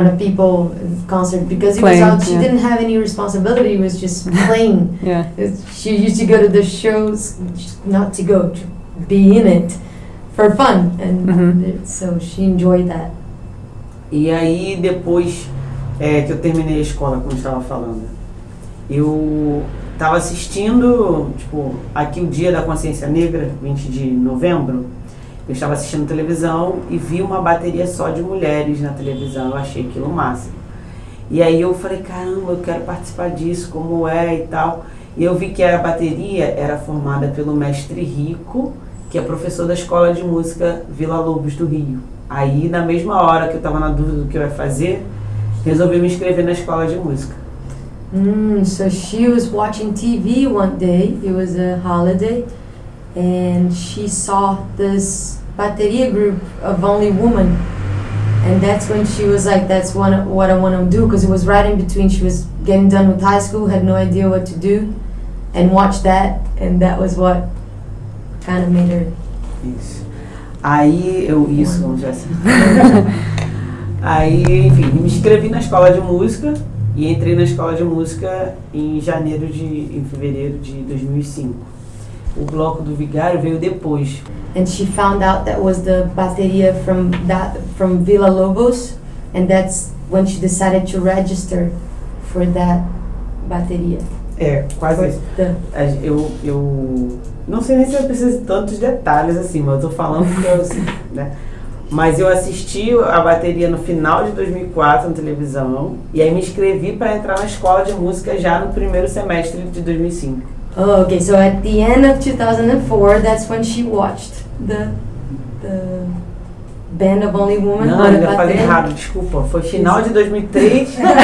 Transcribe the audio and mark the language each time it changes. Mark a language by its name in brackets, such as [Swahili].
[English] front of people in concert, because playing, it was out, yeah. She didn't have any responsibility, it was just playing. Yeah. She used to go to the shows, not to go, to be in it for fun, and so she enjoyed that. [Portuguese] E aí depois que eu terminei a escola, como estava falando, eu estava assistindo, tipo, aqui o Dia da Consciência Negra, 20 de novembro, eu estava assistindo televisão e vi uma bateria só de mulheres na televisão, eu achei aquilo máximo. E aí eu falei, caramba, eu quero participar disso, como é e tal. E eu vi que a bateria era formada pelo mestre Rico, que é professor da Escola de Música Vila Lobos do Rio. Aí, na mesma hora que eu estava na dúvida do que eu ia fazer, resolvi me inscrever na Escola de Música. [English] So she was watching TV one day, it was a holiday, and she saw this bateria group of only women, and that's when she was like, that's what I want to do, because it was right in between, she was getting done with high school, had no idea what to do, and watch that, and that was what kind of made her. [Portuguese] Isso. Aí eu isso já Aí, enfim, me inscrevi na escola de música e entrei na escola de música em fevereiro de 2005. O bloco do vigário veio depois. [English] And she found out that was the bateria from Vila Lobos, and that's when she decided to register for that bateria. [Portuguese] É, quase isso. Eu não sei nem se eu preciso de tantos detalhes assim, mas eu tô falando porque eu sei, né? Mas eu assisti a bateria no final de 2004 na televisão e aí me inscrevi para entrar na escola de música já no primeiro semestre de 2005. [English] Oh, okay, so at the end of 2004, that's when she watched the band of Only Women. [Portuguese] Não, eu falei errado, desculpa. Foi final de 2003.